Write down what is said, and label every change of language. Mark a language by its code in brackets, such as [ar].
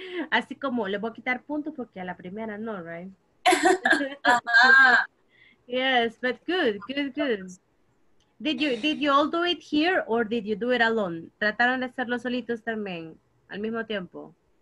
[es] Así como, le voy a quitar puntos porque a la primera no, right? [en] Yes, but good, good, good. Did you all do it here or did you do it alone? [es] ¿Trataron de hacerlo solitos también, al mismo tiempo?